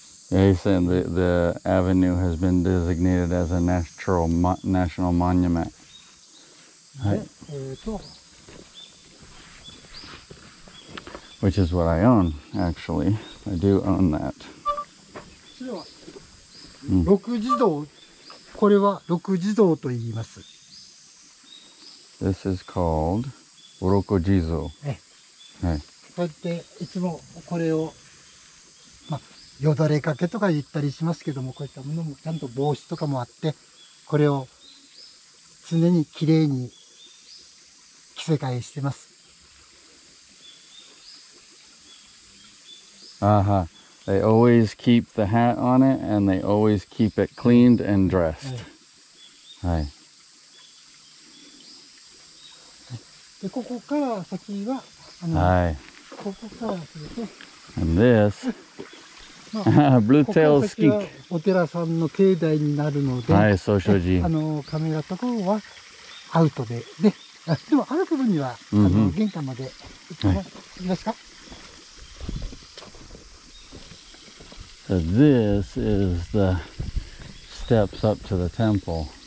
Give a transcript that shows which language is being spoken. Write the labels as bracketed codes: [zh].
[en] Yeah, he's saying the avenue has been designated as a national monument. Right. Which is what I own, actually. I do own that. [ja] 六地蔵、これは六地蔵と言います。 [en] This is called 六地蔵。 [ja] こうやっていつもこれを、よだれかけとか言ったりしますけども、こういったものもちゃんと帽子とかもあって、これを常にきれいに着せ替えしてます。 Uh-huh. [en] They always keep the hat on it and they always keep it cleaned and dressed. [ja] はい。で、ここから先は、はい。ここからすると。 [en] And this. Blue-tailed skink. [ja] お寺さんの境内になるので。はい、総称寺。カメラところはアウトで。で、でも歩く分には、mm-hmm. 玄関まで行きますか、はい。 [en] So this is the steps up to the temple.